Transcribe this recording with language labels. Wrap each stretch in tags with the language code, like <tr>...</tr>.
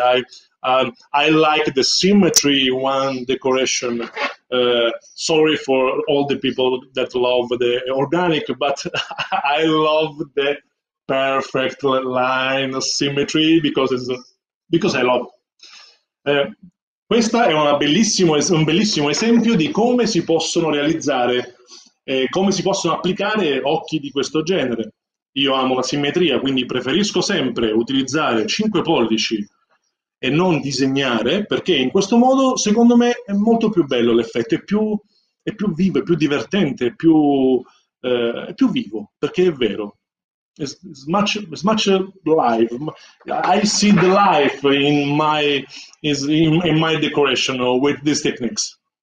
<en>I like the symmetry one decoration. Sorry for all the people that love the organic, but I love the perfect line symmetry because I love.</en> <it>Questa è un bellissimo esempio di come si possono realizzare, come si possono applicare occhi di questo genere. Io amo la simmetria, quindi preferisco sempre utilizzare 5 pollici e non disegnare, perché in questo modo, secondo me, è molto più bello l'effetto, è più vivo, è più divertente, è più vivo, perché è vero.</it> <en>It's much life. I see the life in my decoration with these techniques.</en>